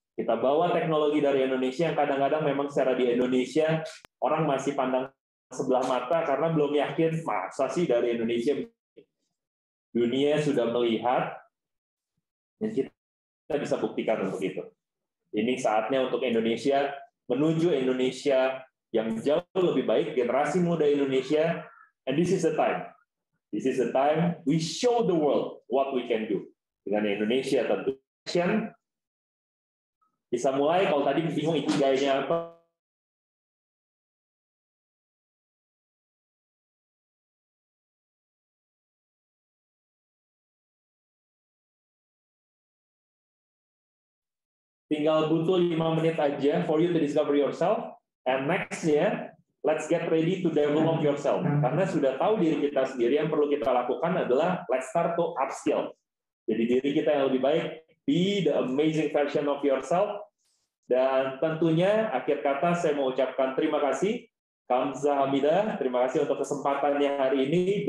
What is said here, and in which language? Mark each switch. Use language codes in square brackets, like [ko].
[id] Kita bawa teknologi dari Indonesia yang kadang-kadang memang secara di Indonesia orang masih pandang sebelah mata karena belum yakin, masa sih dari Indonesia. Dunia sudah melihat yang kita bisa buktikan untuk itu. Ini saatnya untuk Indonesia menuju Indonesia yang jauh lebih baik, generasi muda Indonesia, [en] and this is the time. This is the time we show the world what we can do. [id] Dengan Indonesia tentu. Bisa mulai, kalau tadi bingung itu gayanya apa. Tinggal butuh 5 menit aja [en] for you to discover yourself. And next-nya, let's get ready to develop yourself. [id] Karena sudah tahu diri kita sendiri, yang perlu kita lakukan adalah [en] let's start to upskill. [id] Jadi diri kita yang lebih baik, [en] be the amazing version of yourself. [id] Dan tentunya, akhir kata saya mau ucapkan terima kasih. [ko] Kamsa Hamida, [id] terima kasih untuk kesempatannya hari ini.